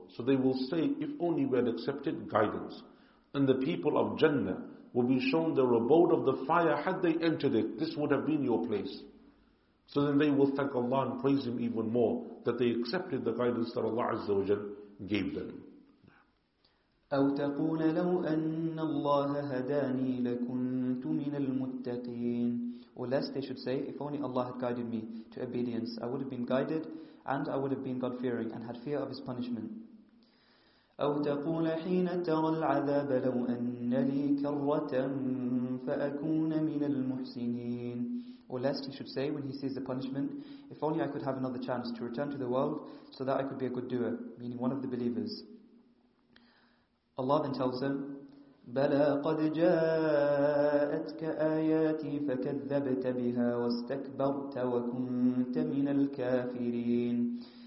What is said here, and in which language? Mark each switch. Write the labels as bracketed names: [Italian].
[English] So they will say, if only we had accepted guidance. And the people of Jannah will be shown the abode of the fire had they entered it, this would have been your place. So then they will thank Allah and praise Him even more that they accepted the guidance that Allah Azza wa Jal gave them. [Arabic] أو تقول لو أن الله هداني لكنت من المتقين. [English] Or lest they should say, if only Allah had guided me to obedience, I would have been guided and I would have been God-fearing and had fear of His punishment. [Arabic] أو تقول حين ترى العذاب لو أن لي كرة فأكون من المحسنين. [English] Or lest he should say when he sees the punishment, if only I could have another chance to return to the world so that I could be a good doer, meaning one of the believers. Allah then tells him, [Arabic] بَلَىٰ قَدْ جَاءَتْكَ آيَاتِي فَكَذَّبْتَ بِهَا وَاسْتَكْبَرْتَ وَكُنْتَ مِنَ الْكَافِرِينَ.